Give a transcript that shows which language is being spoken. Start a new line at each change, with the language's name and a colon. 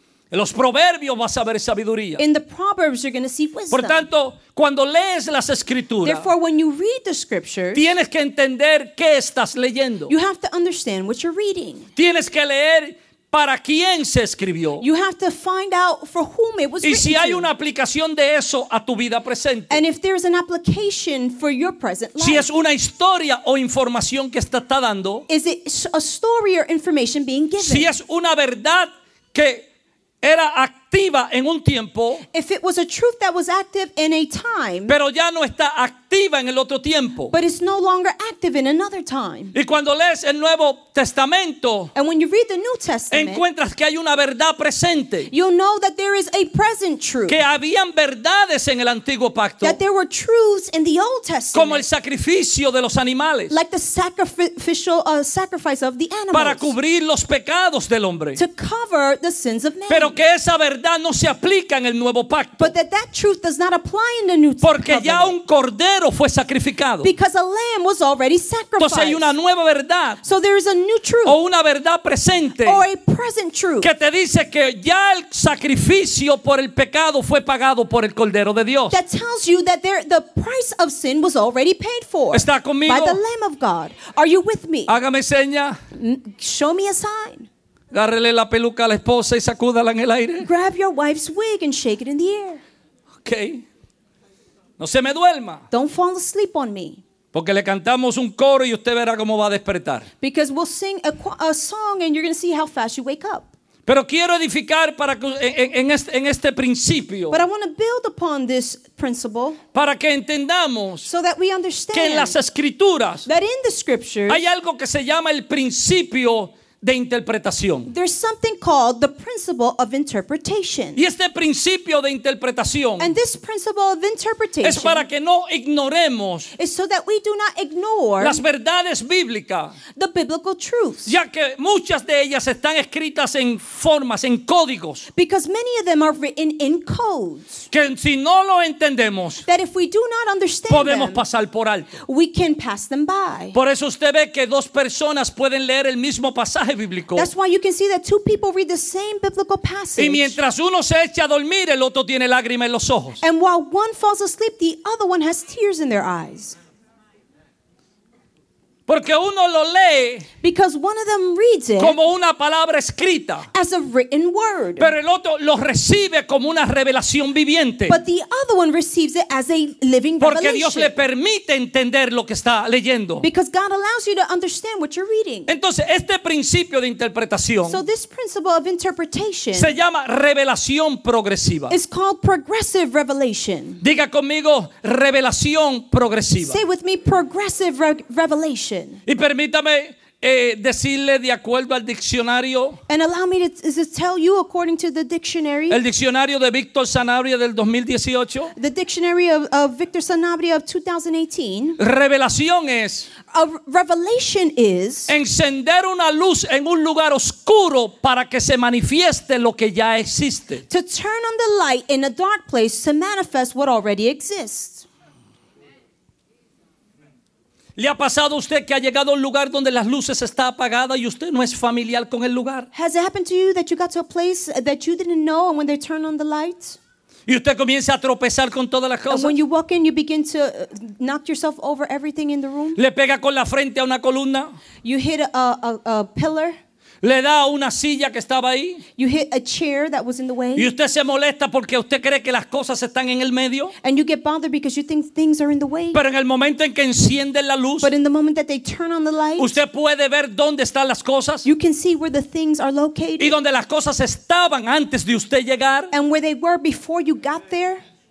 Spanish: En los proverbios vas a ver sabiduría.
English: In the proverbs you're going to see wisdom.
Spanish: Por tanto, cuando lees las escrituras,
English: therefore when you read the scriptures,
Spanish: tienes que entender qué estás leyendo.
English: You have to understand what you're reading.
Spanish: Tienes que leer para quién se escribió.
English: You have to find out for whom it was written.
Spanish: Y si hay una aplicación de eso a tu vida presente.
English: And if there's an application for your present life.
Spanish: Si es una historia o información que está dando.
English: Is it a story or information being given?
Spanish: Si es una verdad que era activa en un tiempo.
English: If it was a truth that was active in a time.
Spanish: Pero ya no está activa en el otro tiempo.
English: But it's no longer active in another time.
Spanish: Y cuando lees el Nuevo Testamento.
English: And when you read the New Testament.
Spanish: Encuentras que hay una verdad presente.
English: You know that there is a present truth.
Spanish: Que habían verdades en el Antiguo Pacto.
English: That there were truths in the Old Testament.
Spanish: Como el sacrificio de los animales.
English: Like the sacrificial sacrifice of the animals.
Spanish: Para cubrir los pecados del hombre.
English: To cover the sins of man.
Spanish: Pero que esa verdad no se aplica en el Nuevo Pacto.
English: But that truth does not apply in the New Testament.
Spanish: Porque ya un cordero fue sacrificado.
English: Because a lamb was already sacrificed.
Spanish: Entonces hay una nueva verdad.
English: So there is a new truth.
Spanish: O una verdad presente.
English: Or a present truth.
Spanish: Que te dice que ya el sacrificio por el pecado fue pagado por el cordero de Dios.
English: That tells you that there, the price of sin was already paid for.
Spanish: ¿Está conmigo?
English: By the Lamb of God. Are you with me?
Spanish: Hágame seña.
English: Show me a sign.
Spanish: Agárrele la peluca a la esposa y sacúdala en el aire.
English: Grab your wife's wig and shake it in the air.
Spanish: Okay. No se me duerma.
English: Don't fall asleep on me.
Spanish: Porque le cantamos un coro y usted verá cómo va a despertar.
English: Because we'll sing a song and you're going to see how fast you wake up.
Spanish: Pero quiero edificar para que en este principio.
English: But I want to build upon this principle.
Spanish: Para que entendamos.
English: So that we understand.
Spanish: Que en las escrituras.
English: That in the scriptures.
Spanish: Hay algo que se llama el principio de interpretación.
English: There's something called the principle of interpretation.
Spanish: Y este principio de interpretación.
English: And this principle of interpretation.
Spanish: Es para que no ignoremos.
English: Is so that we do not ignore.
Spanish: Las verdades bíblicas.
English: The biblical truths.
Spanish: Ya que muchas de ellas están escritas en formas, en códigos.
English: Because many of them are written in codes.
Spanish: Que si no lo entendemos.
English: That if we do not understand.
Spanish: Podemos
English: them,
Spanish: pasar por alto.
English: We can pass them by.
Spanish: Por eso usted ve que dos personas pueden leer el mismo pasaje.
English: That's why you can see that two people read the same biblical passage.
Spanish: Y mientras uno se echa a dormir, el otro tiene lágrimas en los ojos.
English: And while one falls asleep, the other one has tears in their eyes.
Spanish: Porque uno lo lee.
English: Because one of them reads it.
Spanish: Como una palabra escrita.
English: As a written word.
Spanish: Pero el otro lo recibe como una revelación viviente.
English: But the other one receives it as a living
Spanish: porque Porque Dios le permite entender lo que está leyendo.
English: Because God allows you to understand what you're reading.
Spanish: Entonces este principio de interpretación.
English: So this principle of interpretation.
Spanish: Se llama revelación progresiva.
English: It's called progressive revelation.
Spanish: Diga conmigo revelación progresiva.
English: Say with me progressive revelation.
Spanish: Y permítame decirle de acuerdo al diccionario.
English: And allow me to tell you according to the dictionary.
Spanish: El diccionario de Víctor Sanabria del 2018.
English: The dictionary of Víctor Sanabria of 2018.
Spanish: Revelación es.
English: A revelation is.
Spanish: Encender una luz en un lugar oscuro para que se manifieste lo que ya existe.
English: To turn on the light in a dark place to manifest what already exists.
Spanish: ¿Le ha pasado a usted que ha llegado a un lugar donde las luces están apagadas y usted no es familiar con el lugar?
English: Has it happened to you that you got to a place that you didn't know and when they turn on the lights?
Spanish: Y usted comienza a tropezar con todas las cosas.
English: When you walk in, you begin to knock yourself over everything in the room.
Spanish: ¿Le pega con la frente a una columna?
English: You hit a pillar.
Spanish: Le da una silla que estaba ahí.
English: You hit a chair that was in the way.
Spanish: Y usted se molesta porque usted cree que las cosas están en el medio.
English: And you get bothered because you think things are in the way.
Spanish: Pero en el momento en que encienden la luz.
English: But in the moment that they turn on the light.
Spanish: Usted puede ver dónde están las cosas.
English: You can see where the things are located.
Spanish: Y dónde las cosas estaban antes de usted llegar.
English: And where they were before you got there.